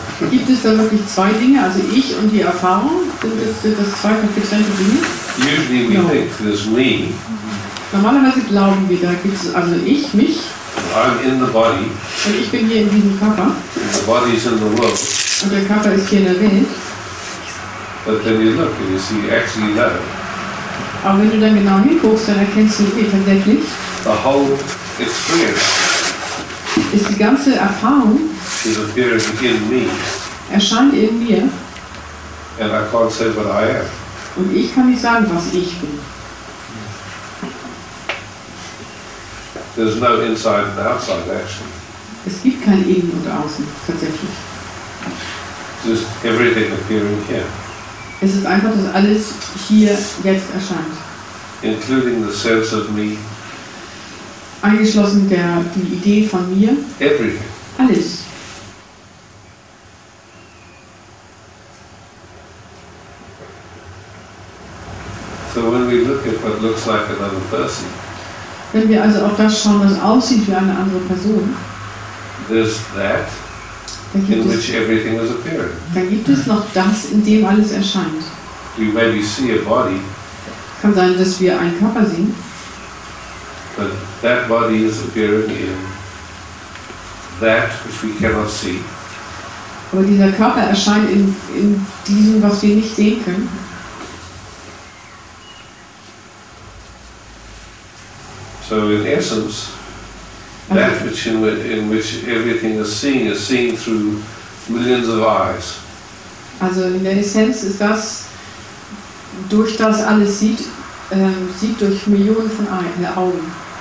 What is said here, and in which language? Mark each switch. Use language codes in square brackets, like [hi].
[de] Gibt es da wirklich zwei Dinge, also ich und die Erfahrung? Sind das zwei getrennte Dinge? [en] Usually we think there's me. [de] Normalerweise glauben wir, da gibt es also ich, mich. [en] I'm in the body. [de] Und ich bin hier in diesem Körper. [en] And the body is in the world. [de] Und der Körper ist hier in der Welt. [en] But then you look and you see actually no. [de] Aber wenn du dann genau hinguckst, dann erkennst du wirklich tatsächlich. [en] The whole experience. [de] Ist die ganze Erfahrung. [en] Is appearing in me. [de] Erscheint in mir. [en] And I can't say what I am. [de] Und ich kann nicht sagen, was ich bin. [en] There's no inside and outside action. [de] Es gibt kein Innen und Außen, tatsächlich. [en] Just everything appearing here. [de] Es ist einfach, dass alles hier jetzt erscheint. [en] Including the sense of me. [de] Eingeschlossen der, die Idee von mir. [en] Everything. [de] Alles. [en] So when we look at what looks like another person. [de] Wenn wir also auf das schauen, was aussieht wie eine andere Person, [en] that, in which everything is appearing. [de] Dann gibt es noch das, in dem alles erscheint. [en] You maybe see a body, [de] kann sein, dass wir einen Körper sehen, [en] but that body is appearing in that which we cannot see. [de] Aber dieser Körper erscheint in diesem, was wir nicht sehen können. [en] So in essence, that which in which everything is seen through millions of eyes. [de] Also in der Essenz ist das, durch das alles sieht, sieht durch Millionen von Augen.